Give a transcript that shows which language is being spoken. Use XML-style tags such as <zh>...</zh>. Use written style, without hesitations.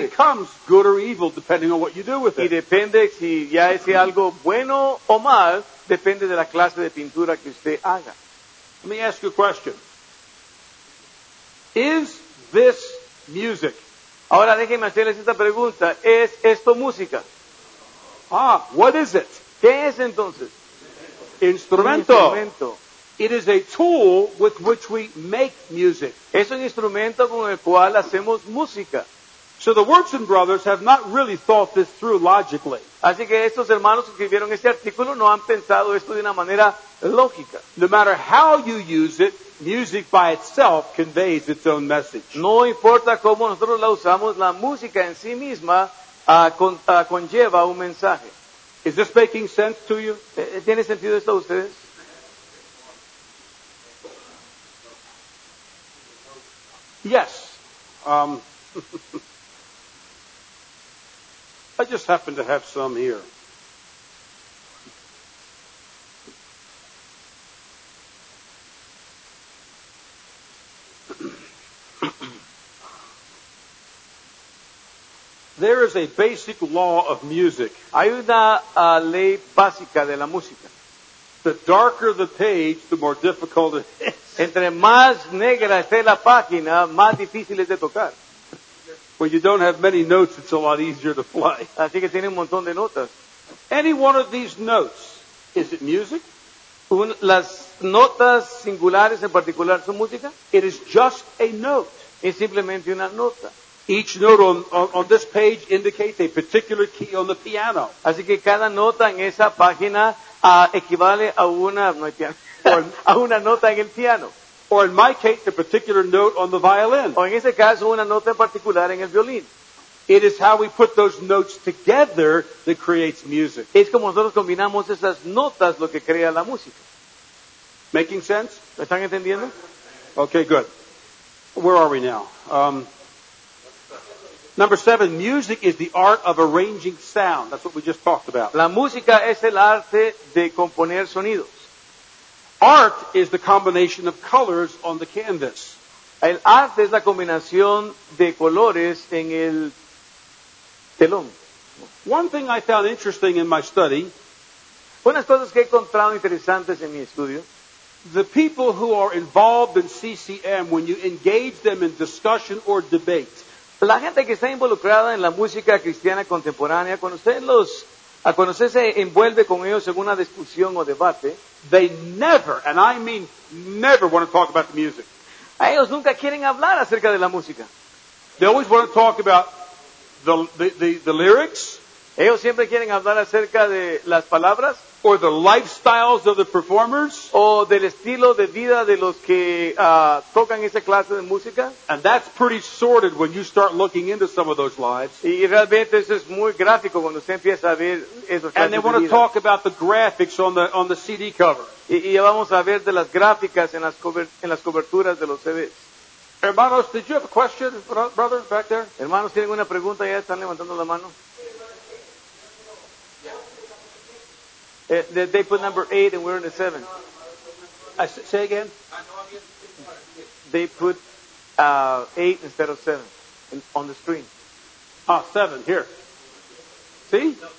<en>And it becomes good or evil depending on what you do with it.</en> <es>Y depende si ya es algo bueno o mal, depende de la clase de pintura que usted haga.</es> <en>Let me ask you a question. Is this music?</en> <es>Ahora déjenme hacerles esta pregunta. ¿Es esto música?</es> <en>Ah, what is it?</en> <es>¿Qué es entonces? Instrumento. Instrumento.</es> <en>It is a tool with which we make music.</en> <es>Es un instrumento con el cual hacemos música.</es> <en>So the Wurtzen brothers have not really thought this through logically.</en> <es>Así que estos hermanos que escribieron este artículo no han pensado esto de una manera lógica.</es> <en>No matter how you use it, music by itself conveys its own message.</en> <es>No importa cómo nosotros la usamos, la música en sí misma conlleva un mensaje.</es> <en>Is this making sense to you?</en> <es>¿Tiene sentido esto a ustedes?</es> <en>Yes. I just happen to have some here. There is a basic law of music.</en> <es>Hay una ley básica de la música.</es> <en>The darker the page, the more difficult it is.</en> <es>Entre más negra esté la página, más difícil es de tocar.</es> <en>When you don't have many notes, it's a lot easier to play.</en> <es>Así que tiene un montón de notas.</es> <en>Any one of these notes, is it music?</en> <es>Las notas singulares en particular son música?</es> <en>It is just a note.</en> <es>Es simplemente una nota.</es> <en>Each note on this page indicates a particular key on the piano.</en> <es>Así que cada nota en esa página equivale a una, no hay piano, a una nota en el piano.</es> <en>Or in my case, a particular note on the violin.</en> <es>O en ese caso, una nota en particular en el violín.</es> <en>It is how we put those notes together that creates music.</en> <es>Es como nosotros combinamos esas notas lo que crea la música.</es> <en>Making sense?</en> <es>¿Me están entendiendo?</es> <en>Okay, good. Where are we now? Number seven, music is the art of arranging sound. That's what we just talked about.</en> <es>La música es el arte de componer sonidos.</es> <en>Art is the combination of colors on the canvas.</en> <es>El arte es la combinación de colores en el telón.</es> <en>One thing I found interesting in my study.</en> <es>Unas cosas que he encontrado interesantes en mi estudio.</es> <en>The people who are involved in CCM, when you engage them in discussion or debate.</en> <es>La gente que está involucrada en la música cristiana contemporánea, cuando usted se envuelve con ellos en una discusión o debate,</es> <en>they never, and I mean never, want to talk about the music.</en> <es>A ellos nunca quieren hablar acerca de la música.</es> <en>They always want to talk about the lyrics.</en> <es>Ellos siempre quieren hablar acerca de las palabras.</es> <en>Or the lifestyles of the performers.</en> <es>O del estilo de vida de los que tocan esa clase de música.</es> <en>And that's pretty sordid when you start looking into some of those lives.</en> <es>Y realmente eso es muy gráfico cuando usted empieza a ver esos clases.</es> <en>And they want to talk about the graphics on the CD cover.</en> <es>Y vamos a ver de las gráficas en las coberturas de los CDs.</es> <en>Hermanos, did you have a question, brother, back there?</en> <es>Hermanos, ¿tienen una pregunta? ¿Ya están levantando la mano?</es> <en>They put number 8 and we're in the 7. Say again? They put 8 instead of 7 on the screen. Ah, 7, here. See?</en>